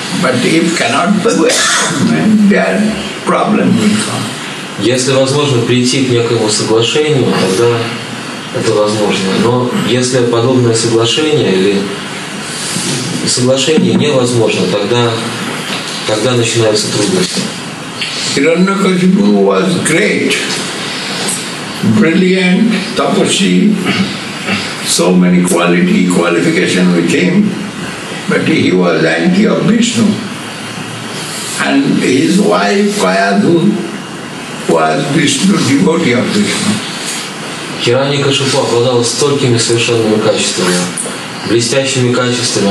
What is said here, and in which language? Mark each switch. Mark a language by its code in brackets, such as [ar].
[en] But if cannot do adjustment, then problem will come. [ru] Если возможно прийти к некому соглашению, тогда это возможно. Но если подобное соглашение или соглашение невозможно, тогда начинаются трудности. [en] Hiranyakashipu was great. brilliant, tapasvi, so many qualifications with him, but he was anti of Vishnu. And his wife, Kayadhu, was Vishnu, devotee of Vishnu. [ru] Хираньякашипу обладал столькими совершенными качествами, блестящими качествами.